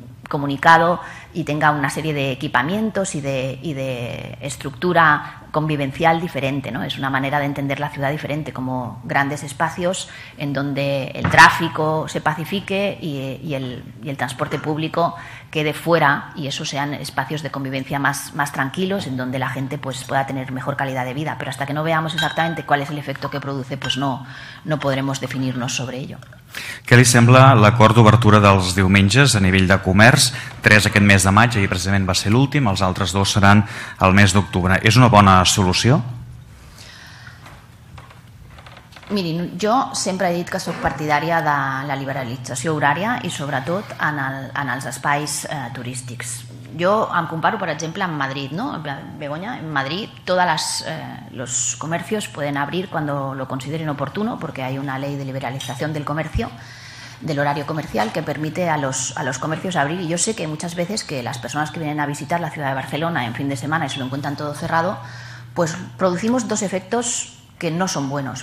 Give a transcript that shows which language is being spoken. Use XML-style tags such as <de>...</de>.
<es>comunicado y tenga una serie de equipamientos y de estructura convivencial diferente, ¿no? Es una manera de entender la ciudad diferente, como grandes espacios en donde el tráfico se pacifique y el transporte público quede fuera, y eso sean espacios de convivencia más tranquilos, en donde la gente pues pueda tener mejor calidad de vida. Pero hasta que no veamos exactamente cuál es el efecto que produce, pues no podremos definirnos sobre ello.</es> <ca>Què li sembla l'acord d'obertura dels diumenges a nivell de comerç? Tres aquest mes de maig, ahir precisament va ser l'últim, els altres dos seran el mes d'octubre. És una bona solució? Mirin, jo sempre he dit que sóc partidària de la liberalització horària i sobretot en els espais turístics.</ca> <es>Yo me comparo, por ejemplo, en Madrid, ¿no? Begoña, en Madrid todos los comercios pueden abrir cuando lo consideren oportuno, porque hay una ley de liberalización del comercio, del horario comercial, que permite a los comercios abrir. Y yo sé que muchas veces que las personas que vienen a visitar la ciudad de Barcelona en fin de semana y se lo encuentran todo cerrado, pues producimos dos efectos que no son buenos.</es>